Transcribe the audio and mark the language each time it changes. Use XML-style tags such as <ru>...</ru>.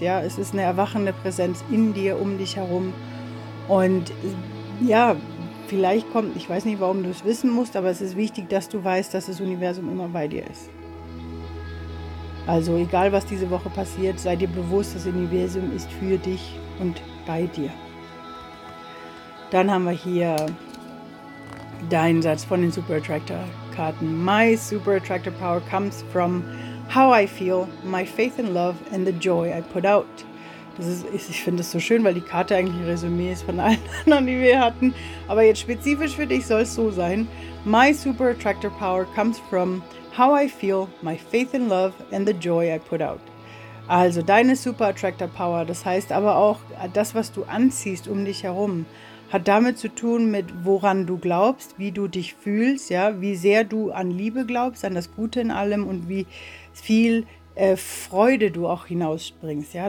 <de>Ja, es ist eine erwachende Präsenz in dir, um dich herum. Und ja, vielleicht kommt, ich weiß nicht, warum du es wissen musst, aber es ist wichtig, dass du weißt, dass das Universum immer bei dir ist. Also egal, was diese Woche passiert, sei dir bewusst, das Universum ist für dich und bei dir. Dann haben wir hier deinen Satz von den Super Attractor Karten.</de> <en>My Super Attractor Power comes from how I feel, my faith in love and the joy I put out.</en> <de>Ich finde das so schön, weil die Karte eigentlich ein Resümee ist von allen anderen, die wir hatten. Aber jetzt spezifisch für dich soll es so sein.</de> <en>My super attractor power comes from how I feel, my faith in love and the joy I put out.</en> <de>Also deine super attractor power, das heißt aber auch, das, was du anziehst um dich herum, hat damit zu tun mit, woran du glaubst, wie du dich fühlst, ja, wie sehr du an Liebe glaubst, an das Gute in allem und wie viel Freude du auch hinausbringst. Ja.</de>